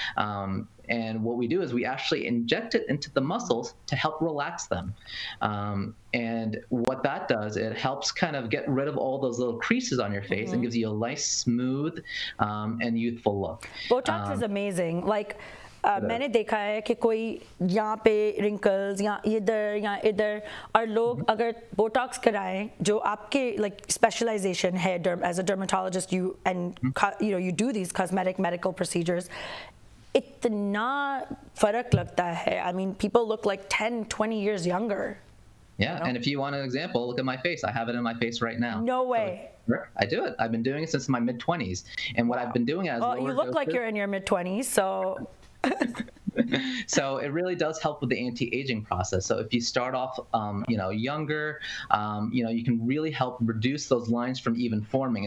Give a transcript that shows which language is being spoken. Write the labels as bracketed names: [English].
[English] And what we do is we actually inject it into the muscles to help relax them. And what that does, it helps kind of get rid of all those little creases on your face and gives you a nice, smooth, and youthful look. Botox is amazing. [Hindi] Like, मैंने देखा है कि कोई यहाँ पे wrinkles या इधर और लोग अगर Botox कराए जो आपके like specialization है [English] as a dermatologist you do these cosmetic medical procedures. [Hindi] इतना फ़रक लगता है. [English] I mean, people look like 10, 20 years younger. Yeah, and if you want an example, look at my face. I have it in my face right now. No way. So I do it. I've been doing it since my mid-20s. And what I've been doing is... Well, you look like you're in your mid-20s, so... So it really does help with the anti-aging process. So if you start off, younger, you can really help reduce those lines from even forming.